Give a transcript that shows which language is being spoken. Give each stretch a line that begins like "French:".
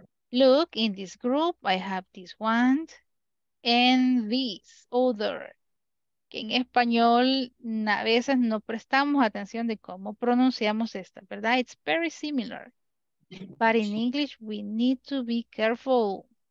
English: Look, in this group, I have this one and this other.
Spanish: Que en español a veces no prestamos atención de cómo pronunciamos esta, ¿verdad?
English: It's very similar. But in English, we need to be careful.